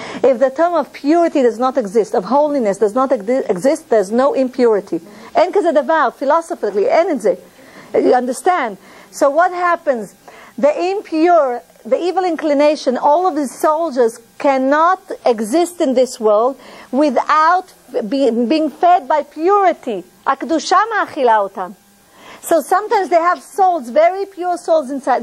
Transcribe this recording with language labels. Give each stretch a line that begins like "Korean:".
English: If the term of purity does not exist, of holiness does not exist, there's no impurity.
Hebrew: אין כזה דבר, philosophically, אין את זה.
English: You understand? So what happens? The impure, the evil inclination, all of his soldiers cannot exist in this world without being fed by purity.
Hebrew: הקדושה מאכילה אותם.
English: So sometimes they have souls, very pure souls inside.